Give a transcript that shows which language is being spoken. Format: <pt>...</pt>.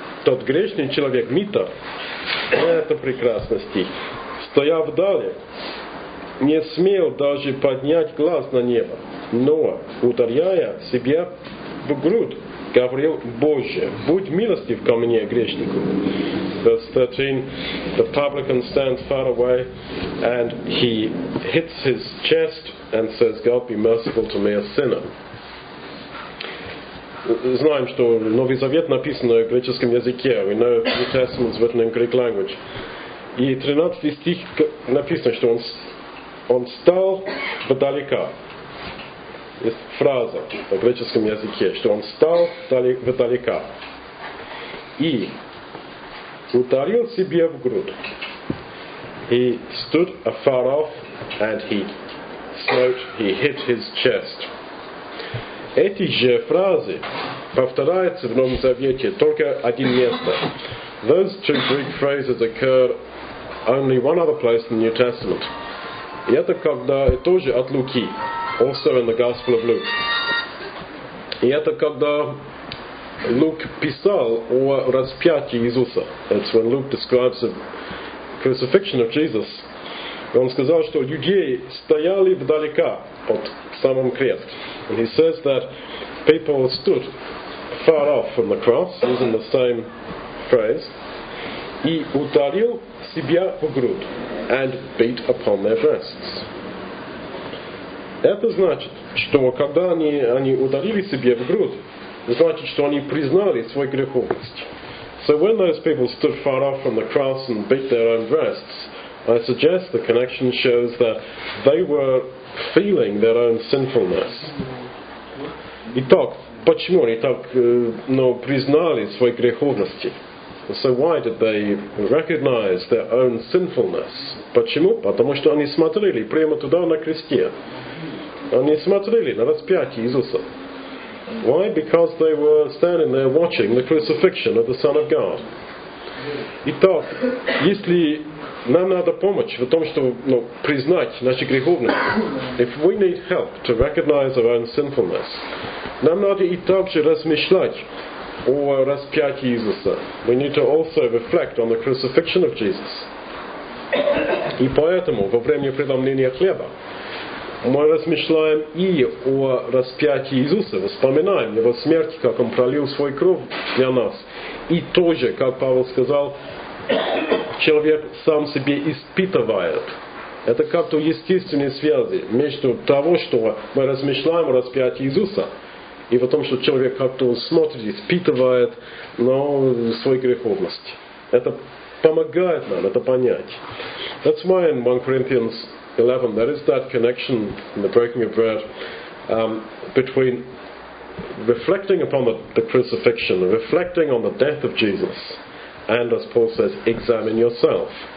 <ru>Тот грешный человек, Митр, это прекрасный стих, стоя вдали, не смел даже поднять глаз на небо, но, ударяя себя в грудь, говорил, Боже, будь милостив ко мне, грешнику.</ru> <en>verse 13, the publican stands far away and he hits his chest and says, God, be merciful to me, a sinner.</en> <ru>Знаем, что Новый Завет написан в греческом языке.</ru> <en>We know the New Testament is written in Greek language.</en> <ru>И 13 стих написано, что он стал вдалека. Есть фраза в греческом языке, что он стал вдалека. И ударил себе в грудь.</ru> <en>He stood afar off and he smote, he hit his chest.</en> <ru>Эти же фразы повторяются в Новом Завете только один место.</ru> <en>Those two Greek phrases occur only one other place in the New Testament.</en> <ru>И это когда тоже от Луки,</ru> <en>also in the Gospel of Luke.</en> <ru>И это когда Лук писал о распятии Иисуса.</ru> <en>That's when Luke describes the crucifixion of Jesus.</en> <ru>Он сказал, что людей стояли вдалека от самом крест.</ru> <en>And he says that people stood far off from the cross, using the same phrase,</en> <ru>и ударил себя в грудь,</ru> <en>and beat upon their breasts.</en> <ru>Это значит, что когда они ударили себя в грудь, значит, что они признали свою греховность.</ru> <en>So when those people stood far off from the cross and beat their own breasts, I suggest the connection shows that they were feeling their own sinfulness.</en> <ru>Итак, почему они так, ну, признали свои греховности?</ru> <en>So why did they recognize their own sinfulness?</en> <ru>Почему? Потому что они смотрели прямо туда на кресте. Они смотрели на распятие Иисуса.</ru> <en>Why? Because they were standing there watching the crucifixion of the Son of God.</en> <ru>Итак, если нам надо помочь в том, чтобы, ну, признать наши греховности,</ru> <en>if we need help to recognize our own sinfulness,</en> <ru>нам надо и также размышлять о распятии Иисуса.</ru> <en>We need to also reflect on the crucifixion of Jesus.</en> <ru>И поэтому во время преломления хлеба мы размышляем и о распятии Иисуса, вспоминаем Его смерть, как Он пролил свою кровь для нас. И тоже, как Павел сказал, человек сам себе испытывает. Это как-то естественные связи между того, что мы размышляем о распятии Иисуса, и в том, что человек как-то смотрит, испытывает, но свою греховность. Это помогает нам это понять.</ru> <en>That's why in 1 Corinthians 11, there is that connection in the breaking of bread between reflecting upon the crucifixion, reflecting on the death of Jesus, and as Paul says, examine yourself.</en>